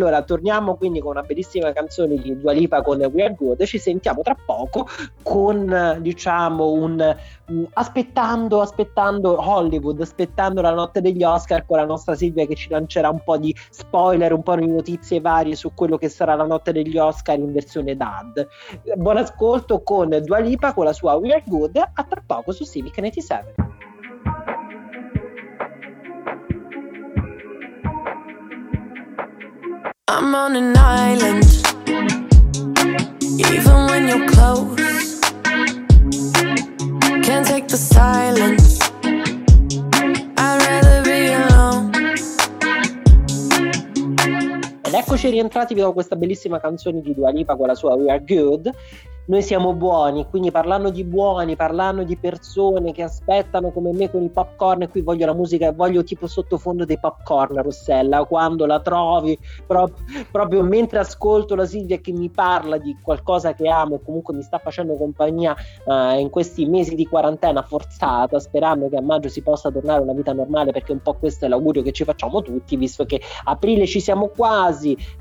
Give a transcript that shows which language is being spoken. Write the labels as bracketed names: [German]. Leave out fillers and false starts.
[Italian] Allora, torniamo quindi con una bellissima canzone di Dua Lipa con We Are Good, ci sentiamo tra poco con, diciamo, un aspettando Hollywood, aspettando la notte degli Oscar con la nostra Silvia che ci lancerà un po' di spoiler, un po' di notizie varie su quello che sarà la notte degli Oscar in versione dad. Buon ascolto con Dua Lipa con la sua We Are Good, a tra poco su Civic 97. [English] I'm on an island, even when you're close. Can't take the silence, I'd rather be alone. [Italian] Ed eccoci rientrati, vi do questa bellissima canzone di Dua Lipa con la sua We Are Good. Noi siamo buoni, quindi parlando di buoni, parlando di persone che aspettano come me con i popcorn, e qui voglio la musica, voglio tipo sottofondo dei popcorn, Rossella, quando la trovi, proprio mentre ascolto la Silvia che mi parla di qualcosa che amo e comunque mi sta facendo compagnia in questi mesi di quarantena forzata, sperando che a maggio si possa tornare a una vita normale, perché un po' questo è l'augurio che ci facciamo tutti, visto che aprile ci siamo quasi,